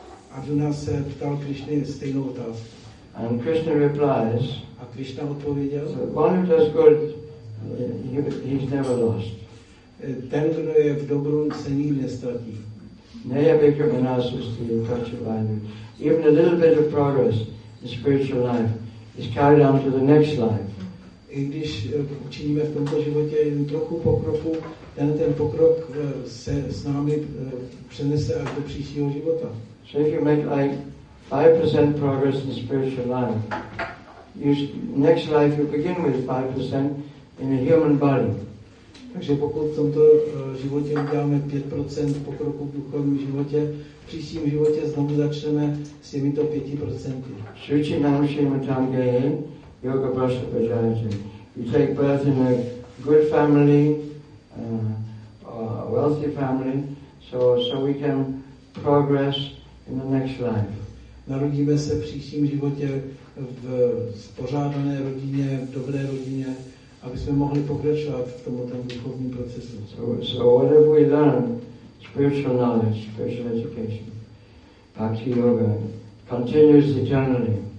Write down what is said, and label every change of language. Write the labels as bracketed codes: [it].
[cs] Arjuna se ptal Krishna stejnou otázku. [en] And Krishna replies. [cs] A Krishna odpověděl. [en] One who does good, he's never lost. [cs] Ten, kdo je v dobru, se nikdy nestratí. Nejabikramanasusti, Tachyvainu. [en] Even a little bit of progress. The spiritual life is carried on to the next life. [cs] I když učiníme v tomto životě jen trochu pokroku, ten pokrok se s námi přenese až do příštího života. [en] So if you make like 5% progress in spiritual life, next life you begin with 5% in a human body. [cs] Takže pokud v tomto životě uděláme 5% pokroku v duchovním životě, v příštím životě znovu začneme s těmito 5%. Sruchi namushima tangeye yoga prasa pajayate. [en] You take birth in a good family, a wealthy family, so we can progress in the next life. [cs] Narodíme se v příštím životě v spořádané rodině, v dobré rodině, aby jsme mohli pokračovat v tomto duchovním procesu. [en] So what have we learned? Spiritual knowledge, spiritual education. Bhakti yoga continues eternally.